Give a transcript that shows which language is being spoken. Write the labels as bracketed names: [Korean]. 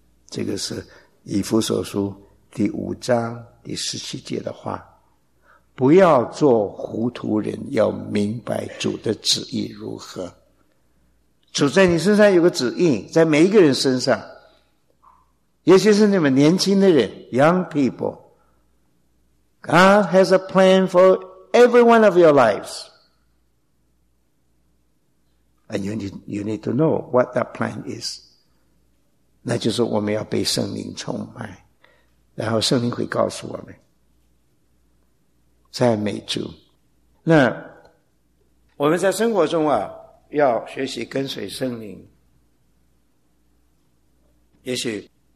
[Chinese] 这个是以弗所书第五章第十七节的话，不要做糊涂人，要明白主的旨意如何。主在你身上有个旨意，在每一个人身上，尤其是你们年轻的人 ， young people。 [English] God has a plan for every one of your lives, and you need to know what that plan is。 [Chinese] 那就是我们要被圣灵充满，然后圣灵会告诉我们。赞美主。那我们在生活中啊，要学习跟随圣灵，也许。